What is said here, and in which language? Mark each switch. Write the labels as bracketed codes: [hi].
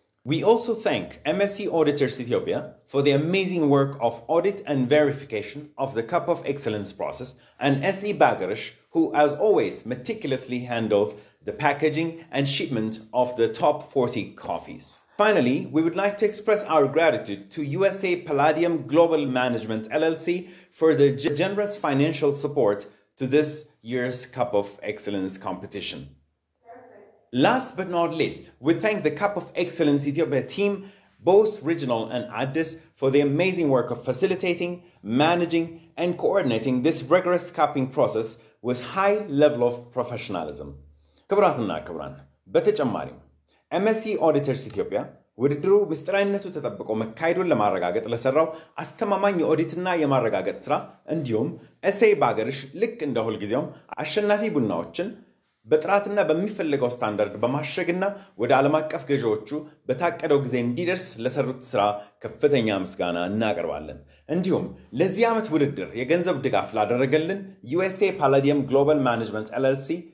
[en] We also thank MSC Auditors Ethiopia for the amazing work of audit and verification of the Cup of Excellence process and SE Bagarish, who as always meticulously handles the packaging and shipment of the top 40 coffees. Finally, we would like to express our gratitude to USA Palladium Global Management LLC for the generous financial support to this year's Cup of Excellence competition. Last but not least, we thank the Cup of Excellence Ethiopia team, both regional and Addis, for the amazing work of facilitating, managing, and coordinating this rigorous cupping process with high level of professionalism. [am] ክብራትና ክብራን በተጨማሪም MSC Auditors Ethiopia ውድድሩ ምስጢራዊነቱ ተጠብቆ መካሄዱን ለማረጋገጥ ለሰራው አስተማማኝ የኦዲትና የማረጋገጥ ስራ እንዲሁም SA ባገርሽ ልክ እንደ ሁልጊዜውም አሸናፊ ቡናዎችን በጥራትና በሚፈልገው ስታንዳርድ በማሸግና ወደ ዓለም አቀፍ ገዢዎቹ በታቀደው ጊዜ እንዲደርስ ለሰሩት ስራ ከፍተኛ ምስጋና እናቀርባለን። እንዲሁም ለዚህ ዓመት ውድድር የገንዘብ ድጋፍ ላደረገልን USA Palladium Global Management LLC